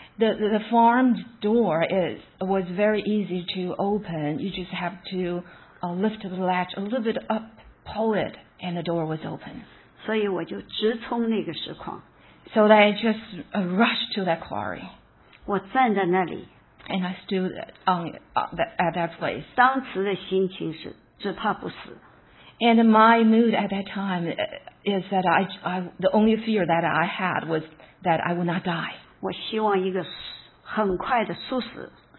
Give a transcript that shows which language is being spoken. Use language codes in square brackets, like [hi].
[en] The farm door was very easy to open. You just have to lift the latch a little bit up, pull it, and the door was open. [zh] 所以我就直冲那个石矿。 [en] So I just rushed to that quarry. [zh] 我站在那里。 [en] And I stood at that place. [zh] 当时的心情是只怕不死。 [en] And my mood at that time is that the only fear that I had was that I would not die. [zh] 我希望一个很快的速死。